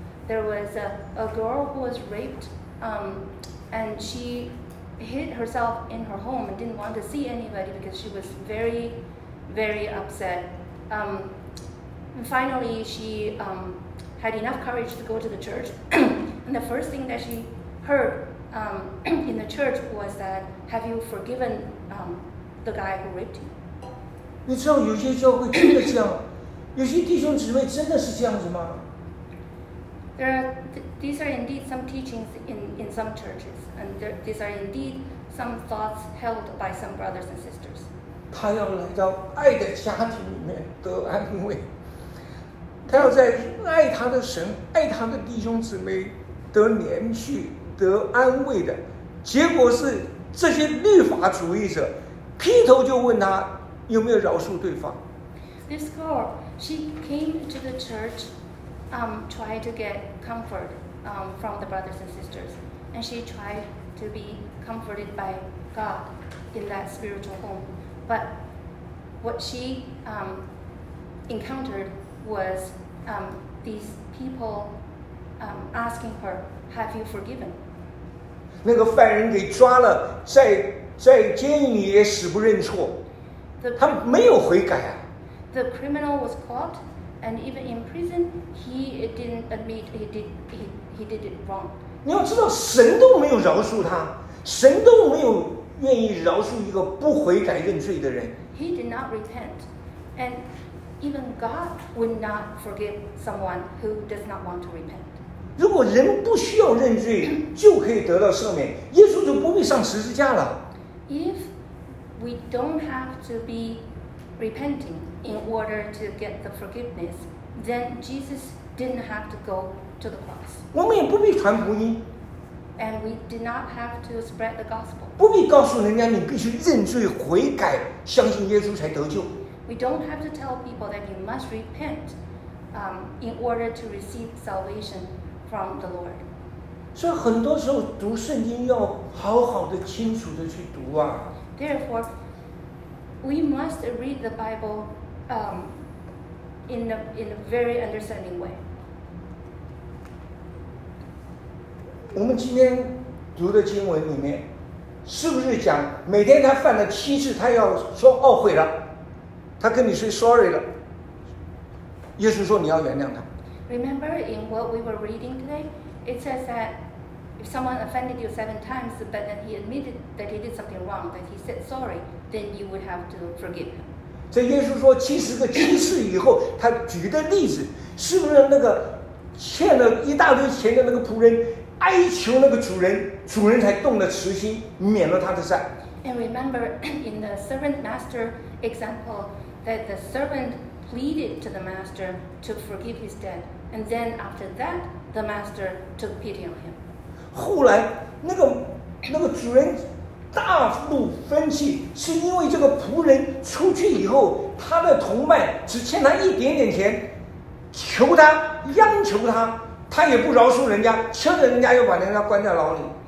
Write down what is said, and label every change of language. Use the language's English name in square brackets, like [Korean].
[English] There was a girl who was raped, and she hid herself in her home and didn't want to see anybody because she was very, very upset. And finally, she had enough courage to go to the church. And the first thing that she heard in the church was that, "Have you forgiven the guy who raped you?" [Chinese] 你知道有些教会真的这样，有些弟兄姊妹真的是这样子吗？ [English] There are these are indeed some teachings in some churches, and these are indeed some thoughts held by some brothers and sisters. [Chinese] 他要来到爱的家庭里面得安慰。他要在爱他的神、爱他的弟兄姊妹得连续得安慰的结果是，这些律法主义者劈头就问他有没有饶恕对方。 [English] This girl, she came to the church, try to get comfort, from the brothers and sisters, and she tried to be comforted by God in that spiritual home. But what she encountered. Was these people asking her, "Have you forgiven?" [Chinese] 那个犯人给抓了，在监狱里也死不认错，他没有悔改啊。 [English] The criminal was caught, and even in prison, he didn't admit he did it wrong. [Chinese] 你要知道，神都没有饶恕他，神都没有愿意饶恕一个不悔改认罪的人。 [English] He did not repent, and. Even God would not forgive someone who does not want to repent. [Chinese] 如果人不需要认罪就可以得到赦免，耶稣就不必上十字架了。 [English] If we don't have to be repenting in order to get the forgiveness, then Jesus didn't have to go to the cross. [Chinese] 我们也不必传福音。 [English] And we did not have to spread the gospel. [Chinese] 不必告诉人家你必须认罪悔改，相信耶稣才得救。 [English] We don't have to tell people that you must repent in order to receive salvation from the Lord. [Chinese] 所以很多时候读圣经要好好的清楚的去读啊。 [English] Therefore, we must read the Bible in a very understanding way. [Chinese] 我们今天读的经文里面是不是讲每天他犯了七次他要说懊悔了，他跟你说 sorry 了，耶稣说你要原谅他。 [English] Remember in what we were reading today, it says that if someone offended you seven times, but then he admitted that he did something wrong, that he said sorry, then you would have to forgive him. [Chinese] 这耶稣说七十个七次以后，他举的例子是不是那个欠了一大堆钱的那个仆人哀求那个主人，主人才动了慈心，免了他的债。 [English] And remember in the servant master example that the servant pleaded to the master to forgive his debt, and then after that the master took pity on him. [Chinese] 后来那个主人大怒分气，是因为这个仆人出去以后，他的同伴只欠他一点点钱，求他央求他，他也不饶恕人家，欠着人家又把人家关在牢里。